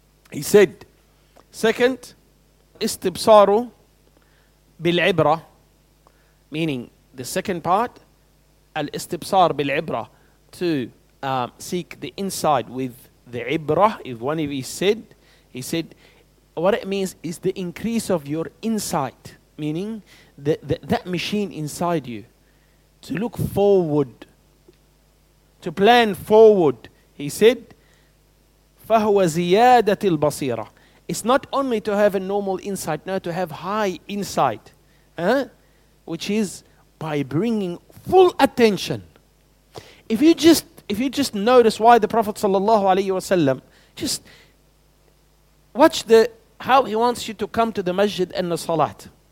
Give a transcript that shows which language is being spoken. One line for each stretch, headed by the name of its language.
English: He said, second, istibsaru bil-ibra, meaning the second part, al-istibsar bil-ibra, to seek the inside with the ibrah, if one of you said, he said, what it means is the increase of your insight, meaning that machine inside you to look forward, to plan forward, He said,
Arabic: فَهُوَ زِيَادَةِ الْبَصِيرَةِ.
English: It's not only to have a normal insight, no, to have high insight, which is by bringing full attention. If you just notice why the Prophet sallallahu alayhi wasallam, just watch the how he wants you to come to the masjid and the salat.